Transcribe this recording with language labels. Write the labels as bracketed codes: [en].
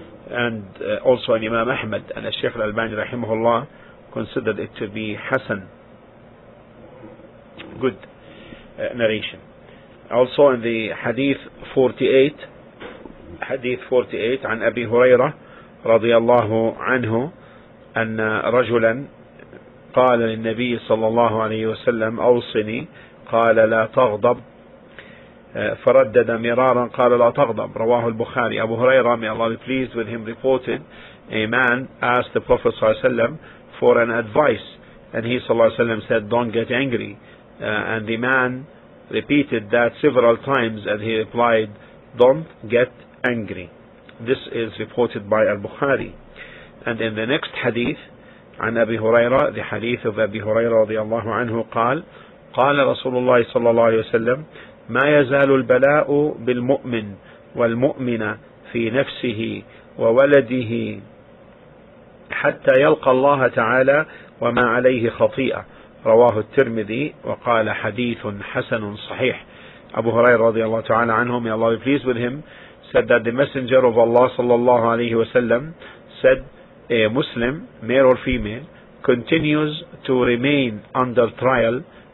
[en] And also an Imam Ahmad and a Sheikh al-Albani rahimahullah considered it to be Hassan, good narration. Also in the hadith 48 [ar] عن أبي هريرة رضي الله عنه أن رجلا قال للنبي صلى الله عليه وسلم أوصني, قال لا تغضب, فردد مرارا قال لا تغضب. رواه البخاري. أبو هريرة, [en] may Allah be pleased with him, reported a man asked the Prophet [ar] صلى الله عليه وسلم [en] for an advice, and he صلى الله عليه وسلم said, don't get angry, and the man repeated that several times, and he replied, don't get angry. This is reported by al-Bukhari. And in the next hadith [ar] عن أبي هريرة, [en] the hadith of [ar] أبي هريرة رضي الله عنه قال, قال رسول الله صلى الله عليه وسلم, ما يزال البلاء بالمؤمن والمؤمنة في نفسه وولده حتى يلقى الله تعالى وما عليه خطيئة. رواه الترمذي وقال حديث حسن صحيح. أبو هريرة رضي الله تعالى عنه, [en] may Allah be pleased with him, said that the messenger of Allah [ar] صلى الله عليه وسلم [en] said, a Muslim, male or female, continues to remain under trial